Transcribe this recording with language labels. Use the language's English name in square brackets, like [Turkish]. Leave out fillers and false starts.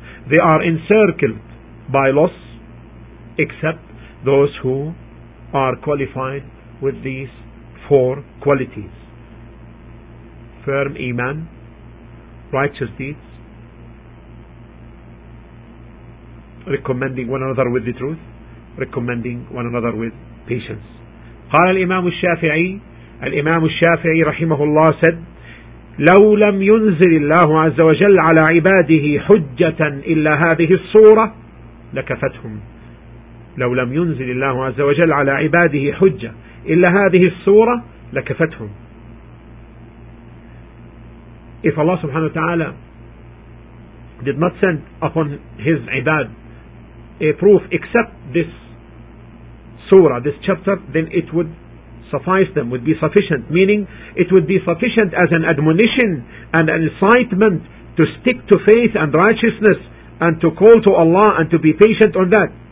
[English] They are encircled by loss, except those who are qualified with these four qualities: firm iman, righteous deeds, recommending one another with the truth, recommending one another with patience. [Arabic] قال الإمام الشافعي, الإمام الشافعي رحمه الله [English] said, [Arabic] لو لم ينزل الله عز وجل على عباده حجة إلا هذه الصورة لكفتهم. لو لم ينزل الله عز وجل على عباده حجة إلا هذه الصورة لكفتهم. [English] If Allah subhanahu wa ta'ala did not send upon his ibad a proof except this surah, this chapter, then it would suffice them, would be sufficient, meaning it would be sufficient as an admonition and an incitement to stick to faith and righteousness and to call to Allah and to be patient on that.